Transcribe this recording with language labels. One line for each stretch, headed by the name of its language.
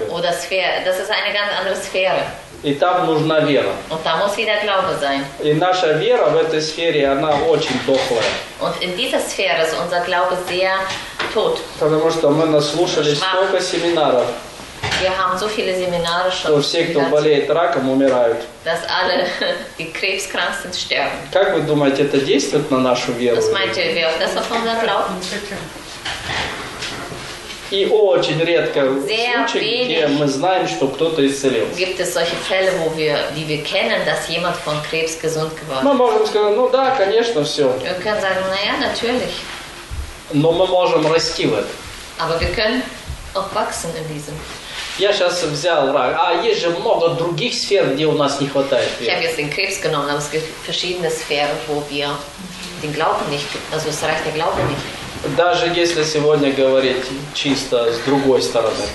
German: Oder Sphäre, das ist eine ganz andere Sphäre.
Russian: И там нужна вера.
German: Und da muss wieder Glaube sein.
Russian: И наша вера в этой сфере, она очень дохлая.
German: Und in dieser Sphäre ist unser Glaube sehr tot.
Russian: Потому что мы наслушали столько семинаров.
German: Wir haben so viele Seminare schon.
Russian: Что все, кто болеет раком, умирают.
German: Dass alle, die krebskrank sind, sterben.
Russian: Как вы думаете, это действует на нашу веру?
German: Was meint ihr, wie auch das auf unser Glauben?
Russian: И очень редко случаи, где мы знаем, что кто-то исцелился.
German: Gibt es solche Fälle, wo wir, die wir kennen, dass jemand von Krebs gesund geworden ist?
Russian: Мы можем сказать, ну да, конечно, все.
German: Wir können sagen, naja, natürlich.
Russian: Но мы можем расти в этом.
German: Aber wir können auch wachsen in diesem.
Russian: Я сейчас взял рак. А есть же много других сфер, где у нас не хватает веры.
German: Ich habe jetzt den Krebs genommen, aber es gibt verschiedene Sphären, wo wir den Glauben nicht, also es reicht der Glaube nicht.
Russian: Даже если сегодня говорить чисто с другой стороны.